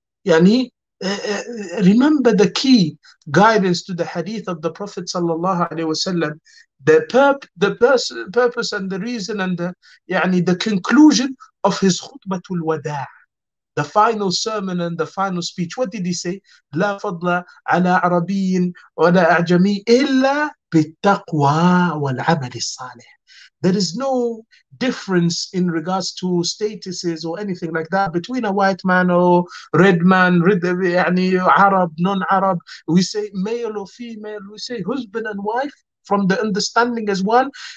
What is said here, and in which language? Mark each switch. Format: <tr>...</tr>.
<en>Yani, remember the key guidance to the hadith of the Prophet sallallahu alaihi wasallam. The purpose and the reason and the yani the conclusion of his khutbatul wada', the final sermon and the final speech. What did he say?</en> <ar>لا فضل على عربي ولا أعجمي إلا بالتقوى والعمل الصالح.</ar> <en>There is no difference in regards to statuses or anything like that between a white man or red man, Arab, non-Arab. We say male or female. We say husband and wife from the understanding as one.</en>